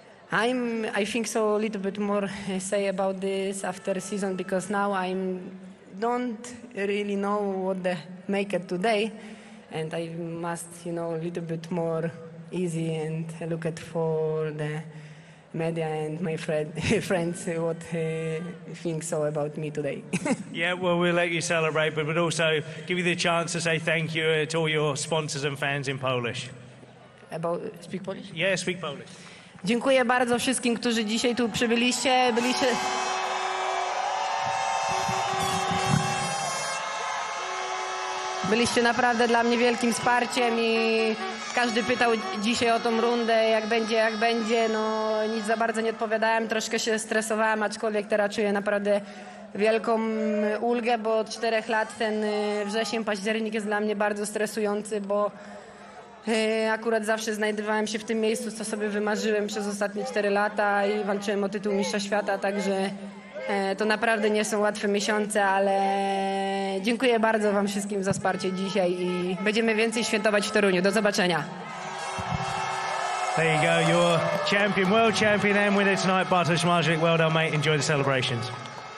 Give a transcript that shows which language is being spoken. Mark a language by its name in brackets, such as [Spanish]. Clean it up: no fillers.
[English] I think so a little bit more say about this after season because now I don't really know what the make it today and I must, you know, a little bit more easy and look at for the media and my friends what think so about me today. Yeah, well, we'll let you celebrate, but we'll also give you the chance to say thank you to all your sponsors and fans in Polish. About speak Polish? Yeah, speak Polish. [Polish] Dziękuję bardzo wszystkim, którzy dzisiaj tu przybyliście. Byliście. Byliście naprawdę dla mnie wielkim wsparciem i każdy pytał dzisiaj o tą rundę, jak będzie. No nic za bardzo nie odpowiadałem, troszkę się stresowałem, aczkolwiek teraz czuję naprawdę wielką ulgę, bo od 4 lat ten wrzesień, październik jest dla mnie bardzo stresujący, bo Akurat zawsze znajdowałem się w tym miejscu, co sobie wymarzyłem przez ostatnie 4 lata i walczyłem o tytuł mistrza świata, także to naprawdę nie są łatwe miesiące, ale dziękuję bardzo wam wszystkim za wsparcie dzisiaj i będziemy więcej świętować w Toruniu. Do zobaczenia. [English] There you go, you're champion, world champion and winner tonight, Bartosz Zmarzlik. Well done, mate. Enjoy the celebrations.